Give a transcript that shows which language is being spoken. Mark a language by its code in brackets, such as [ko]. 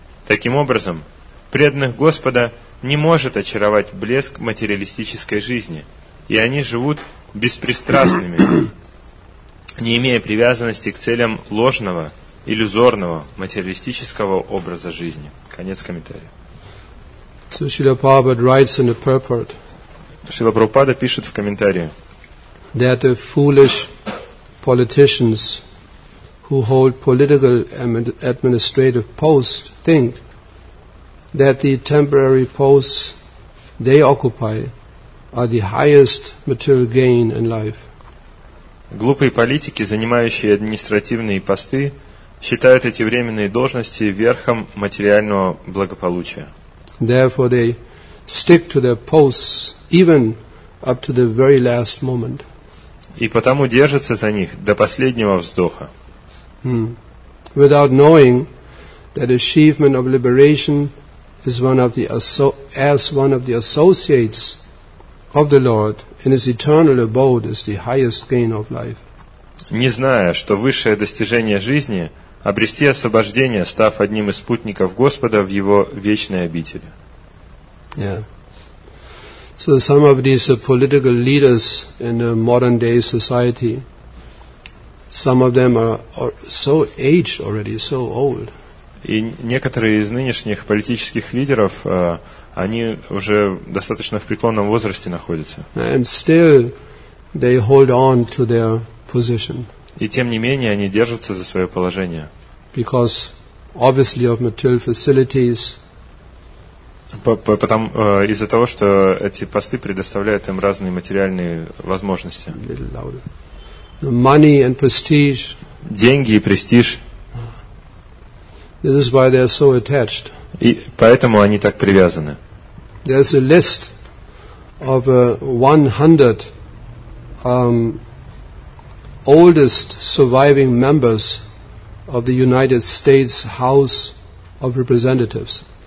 [ru] Таким образом, преданных Господа не может очаровать блеск материалистической жизни, и они живут беспристрастными, не имея привязанности к целям ложного, иллюзорного, материалистического образа жизни. Конец комментария. [en] Шрила Прабхупада writes in the purport. [ru] Шрила Прабхупада пишет в комментарии: [en] that the foolish politicians who hold political and administrative posts think that the temporary posts they occupy are the highest material gain in life. [ru] Глупые политики, занимающие административные посты, считают эти временные должности верхом материального благополучия. [en] Therefore they stick to their posts even up to the very last moment. [ru] И потому держатся за них до последнего вздоха. [en] Without knowing that achievement of liberation is one of the associates of the Lord in his eternal abode is the highest gain of life. [ru] Не зная, что высшее достижение жизни – обрести освобождение, став одним из спутников Господа в Его вечной обители. [en] Yeah. So some of these political leaders in the modern day society, some of them are so aged already, so old. [ru] И некоторые из нынешних политических лидеров, они уже достаточно в преклонном возрасте находятся. [en] And still they hold on to their position. [ru] И тем не менее они держатся за свое положение. [en] Because obviously of material facilities. [ru] Из-за того, что эти посты предоставляют им разные материальные возможности. [en] Money and prestige. [ru] Деньги и престиж. [en] This is why they are so attached. [ru] И поэтому они так привязаны. [en] There is a list of 100 oldest surviving members of the United States House of Representatives.